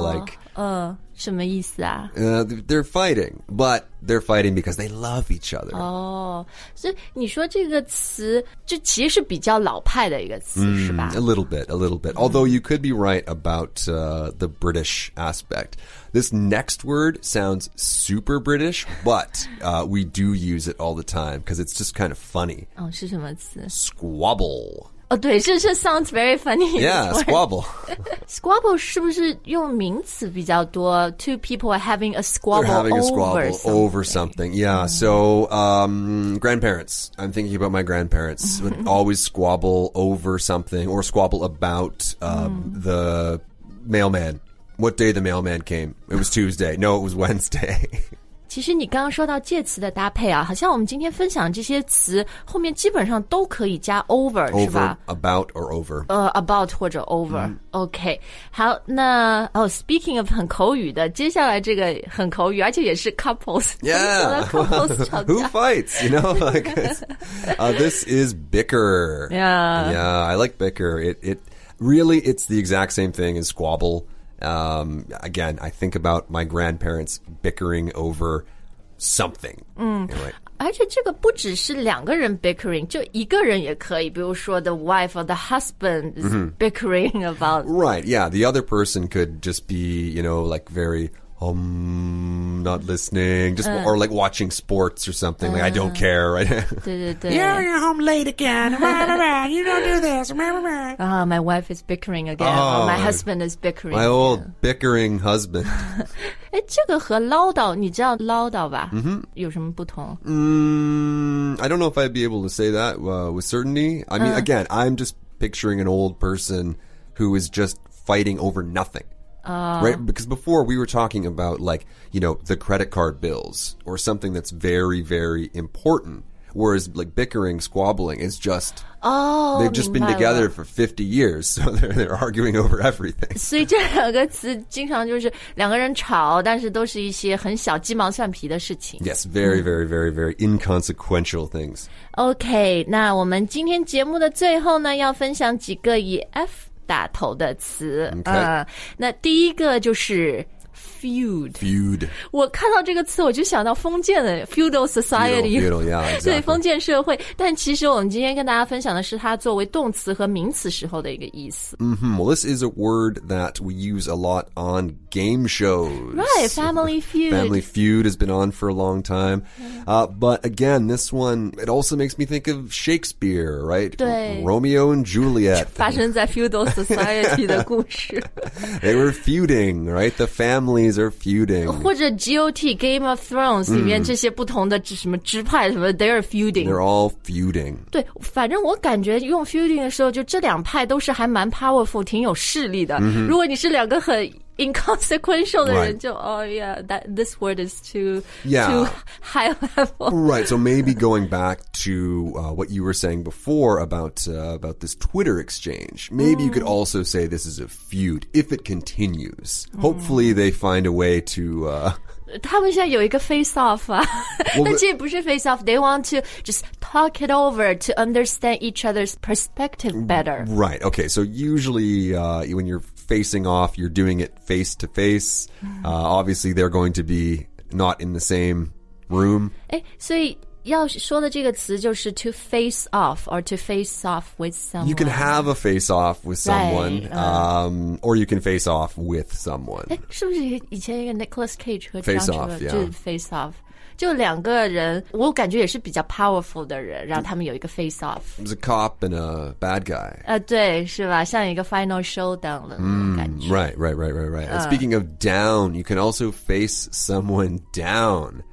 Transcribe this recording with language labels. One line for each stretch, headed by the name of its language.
English: Like,
Chinese: 什么意思啊、
English: They're fighting, but they're fighting because they love each other. Oh, so
Chinese: 你说这个词就其实是比较老派的一个词、是吧
English: A little bit. Although you could be right about、the British aspect. This next word sounds super British, but、we do use it all the time because it's just kind of funny.
Chinese: 是什么词
English: Squabble. Oh,
Chinese: 对这是
English: sounds very funny. Yeah, squabble. Squabble
Chinese: 是不是用名词比较多
English: Two people are having a squabble, having over, a squabble something. Over something. Yeah,、mm-hmm. so、grandparents. I'm thinking about my grandparents. would always squabble over something or squabble about、the mailman. What day the mailman came? It was Tuesday. No, it was Wednesday.
Chinese: 其实你刚刚说到介词的搭配啊，好像我们今天分享这些词后面基本上都可以加 over,
English: over
Chinese: 是吧
English: ？About or over？
Chinese: About 或者 over、mm.。 OK， 好，那哦、，
English: speaking of
Chinese: 很口语的，接下来这个很口语，而且也是 couples。
English: Yeah， who fights？ You know， like this is bicker。 Yeah， yeah， I like bicker. It really it's the exact same thing as squabble. Again, I think about my grandparents bickering over something. Anyway.
Chinese: 而且这个不只是两个人 bickering, 就一个人也可以。比如说
English: the wife or the husband is、
Chinese: mm-hmm.
English: bickering about... Right, yeah. The other person could just be, you know, like very... not listening, just、or like watching sports or something.、Like, I don't care, right?
Chinese: 对对对
English: You're home late again. You don't do this. My wife is bickering again. My husband is bickering. My old bickering husband.
Chinese: 哎，这个和唠叨，你知道唠叨吧？ Mm-hmm. 有什么不同？
English: I don't know if I'd be able to say that、with certainty. I mean,、again, I'm just picturing an old person who is just fighting over nothing. Right, because before we were talking about like, you know, the credit card bills or something that's very, very important. Whereas like bickering, squabbling is just, they've just been together for 50 years. So they're arguing over everything.
Chinese: 所以这两个词经常就是两个人吵，但是都是一些很小鸡毛蒜皮的事情。
English: Yes, very, very, very, very inconsequential things. Okay,
Chinese: 那我们今天节目的最后呢，要分享几个以 F 打头的词。
English: Okay.
Chinese: 那第一个就是 feud.
English: Feud.
Chinese: 我看到这个词我就想到封建的 feudal society.
English: Feudal, yeah, exactly.
Chinese: 对，封建社会。但其实我们今天跟大家分享的是它作为动词和名词时候的一个意思。 Mm-hmm.
English: Well, this is a word that we use a lot on game shows. Right, family feud. Family feud has been on for a long time. But again, this one, it also makes me think of Shakespeare, right?
Chinese: 对。
English: Romeo and Juliet.
Chinese: 发生在 feudal society 的故事。
English: They were feuding, right? The families are feuding.
Chinese: 或者 GOT, Game of Thrones, 里面这些不同的什么支派什么、mm.
English: they're feuding. They're all feuding.
Chinese: 对，反正我感觉用 feuding 的时候，就这两派都是还蛮 powerful, 挺有势力的。 Mm-hmm. 如果你是两个很
English: inconsequential 的人就 oh yeah, that, this word is too,、 yeah. too high level. Right, so maybe going back to、what you were saying before about this Twitter exchange, maybe、mm. you could also say this is a feud if it continues.、Mm. Hopefully they find a way to...、
Chinese: 他们现在有一个
English: face off
Chinese: 啊，那其实不是
English: face off, they want to just talk it over to understand each other's perspective better. Right, okay, so usually、when you're facing off, you're doing it face to face. Obviously, they're going to be not in the same room.
Chinese: 诶，所以要说的这个词就是 to face off or to face off with someone.
English: You can have a face off with someone, right, or you can face off with someone.
Chinese: 诶，是不是以前一个 Nicolas Cage 和
English: face off,
Chinese: 就 face off, 就两个人我感觉也是比较 powerful 的人，然后他们有一个 face off.
English: It was a cop and a bad guy.
Chinese: 对，是吧，像一个 final showdown 的感觉。
English: Right. Speaking of down, you can also face someone down.